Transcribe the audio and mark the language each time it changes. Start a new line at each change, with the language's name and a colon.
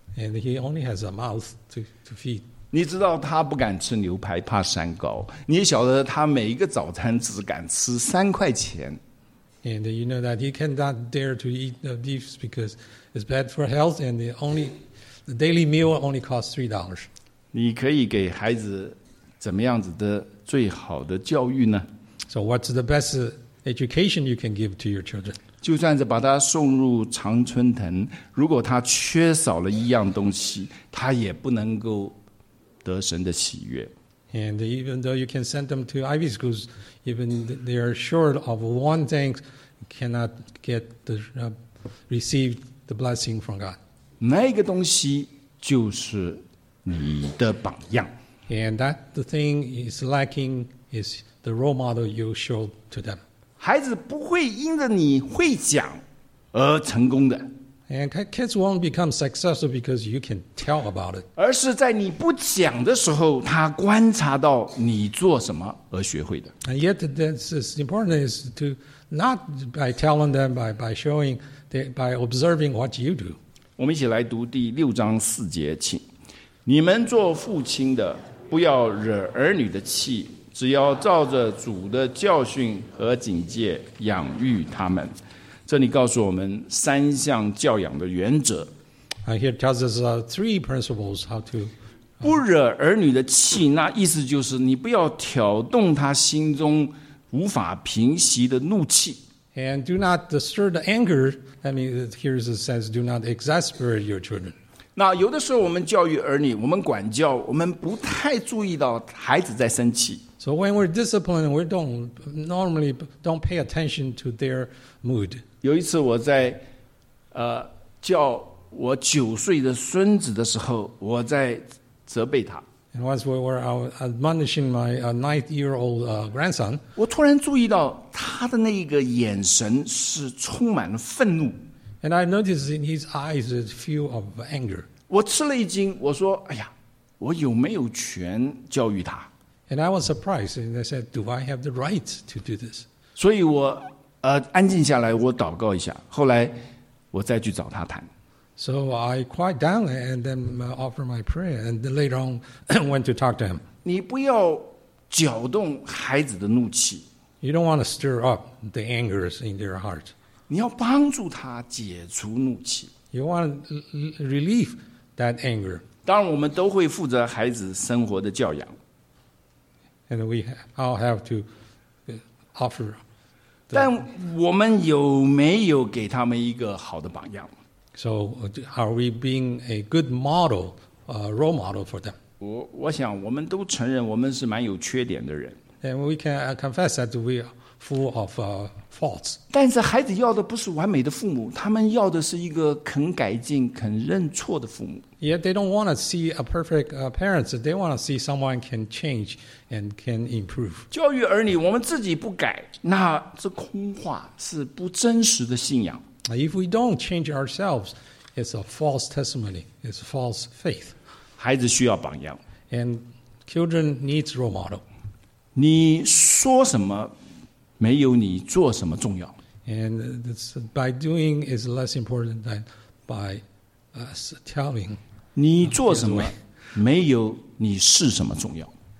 English: And he only has a mouth to feed.
Chinese: 你知道他不敢吃牛排，怕三高。你晓得他每一个早餐只敢吃$3。
English: And you know that he cannot dare to eat the beef because it's bad for health, and the daily meal only costs $3.
Chinese: 你可以给孩子怎么样子的最好的教育呢？
English: So what's the best education you can give to your children?
Chinese: 就算是把他送入常春藤，如果他缺少了一样东西，他也不能够得神的喜悦。
English: And even though you can send them to Ivy schools, even they are short of one thing, cannot get the receive the blessing from God.
Chinese: 那个东西就是你的榜样。
English: And that the thing is lacking is the role model you show to them.
Chinese: 孩子不会因着你会讲而成功的。
English: And kids won't become successful because you can tell about it.
Chinese: 而是在你不讲的时候，他观察到你做什么而学会的。
English: And yet, that's important is to not by telling them, by showing, by observing what you do.
Chinese: 我们一起来读第六章四节，请你们做父亲的，不要惹儿女的气，只要照着主的教训和警戒养育他们。这里告诉我们三项教养的原则。
English: Here tells us three principles how to
Chinese: 不惹儿女的气，那意思就是你不要挑动他心中无法平息的怒气。
English: And do not stir the anger. I mean, here it says, do not exasperate your children.
Chinese: 那有的时候我们教育儿女，我们管教，我们不太注意到孩子在生气。
English: So when we're disciplined, we normally don't pay attention to their mood.
Chinese: 有一次我在叫我九岁的孙子的时候，我在责备他。
English: And once we were admonishing my nine-year-old grandson,
Chinese: 我突然注意到他的那个眼神是充满了愤怒。
English: And I noticed in his eyes a feel of anger.
Chinese: 我吃了一惊，我说：“哎呀，我有没有权教育他？”
English: And I was surprised, and I said, "Do I have the right to do this?"
Chinese: 所以我安静下来，我祷告一下。后来我再去找他谈。
English: So I quiet down and then offer my prayer, and later on went to talk to him.
Chinese: 你不要搅动孩子的怒气。
English: You don't want to stir up the anger in their heart.
Chinese: 你要帮助他解除怒气。
English: You want to relieve that anger.
Chinese: 当然，我们都会负责孩子生活的教养。
English: And we all have to offer.
Chinese: 但我们有没有给他们一个好的榜样
English: ？So are we being a good model, a role model for them?
Chinese: 我想我们都承认我们是蛮有缺点的人。
English: And we can confess that we are full of faults.
Chinese: 但是孩子要的不是完美的父母，他们要的是一个肯改进、肯认错的父母。
English: Yet they don't want to see a perfect parent. They want to see someone can change and can improve.
Chinese: 教育儿女，我们自己不改，那是空话，是不真实的信仰。
English: If we don't change ourselves, it's a false testimony. It's a false faith.
Chinese: 孩子需要榜样。
English: And children need role model.
Chinese: 你说什么，没有你做什么重要。
English: And this, by doing is less important than by telling.
Chinese: 你做什么，没有你是什么重要。